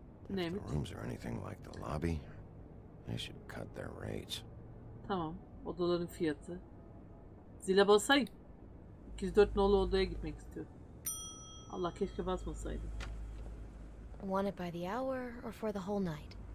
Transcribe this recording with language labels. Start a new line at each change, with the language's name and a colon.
English: If the rooms are anything like the lobby, they should cut their rates.
Turkish: Tamam. Odaların fiyatı. Zile basay. 204 nolu odaya gitmek istiyorum. Allah keşke basmasaydı.
English: Want it by the hour or for the whole night?